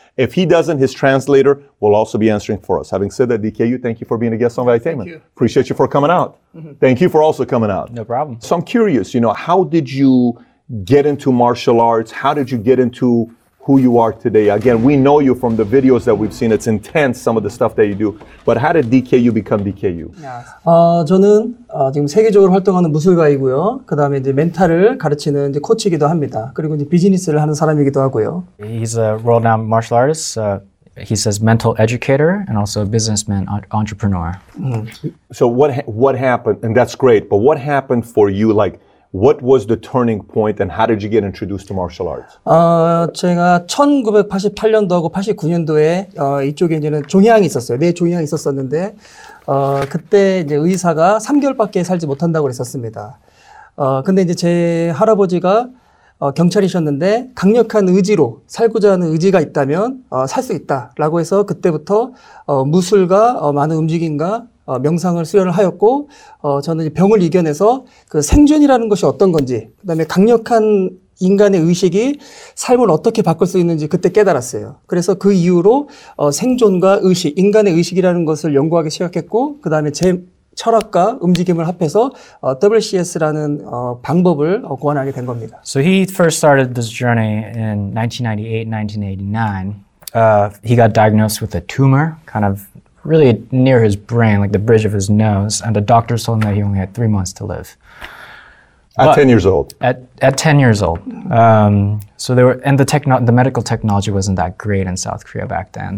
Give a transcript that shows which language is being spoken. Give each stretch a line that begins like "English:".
English: If he doesn't, his translator will also be answering for us. Having said that, DKU, thank you for being a guest on Vitamin. Thank you. Appreciate you for coming out. Mm-hmm. Thank you for also coming out. No problem. So I'm curious, you know, how did you get into martial arts? How did you get into who you are today? Again, we know you from the videos that we've seen. It's intense, some of the stuff that you do. But how did DKU become DKU? Yes.
Korean: 저는 지금 세계적으로 활동하는 무술가이고요. 그다음에 이제 멘탈을 가르치는 이제 코치이기도 합니다. 그리고 이제 비즈니스를 하는 사람이기도 하고요.
English: He's a world-renowned martial artist. He says mental educator and also a businessman entrepreneur. So what happened? And that's great. But what happened for you, like, what was the turning point and how did you get introduced to martial arts?
Korean: 제가 1988년도하고 89년도에 이쪽에 이제는 종양이 있었어요. 내 종양이 있었었는데 그때 이제 의사가 3개월밖에 살지 못한다고 그랬었습니다. 근데 이제 제 할아버지가 경찰이셨는데 강력한 의지로 살고자 하는 의지가 있다면 살 수 있다라고 해서 그때부터 무술과 많은 움직임과 명상을 수련을 하였고 저는 이제 병을 이겨내서 그 생존이라는 것이 어떤 건지 그다음에 강력한 인간의 의식이 삶을 어떻게 바꿀 수 있는지 그때 깨달았어요. 그래서 그 이후로 생존과 의식, 인간의 의식이라는 것을 연구하기 시작했고 그다음에 제 철학과 움직임을 합해서 WCS라는 방법을 고안하게 된 겁니다.
English: So he first started this journey in 1989. He got diagnosed with a tumor, kind of really near his brain, like the bridge of his nose, and the doctors told him that he only had 3 months to live. At 10 years old. So there were, and the medical technology wasn't that great in South Korea back then.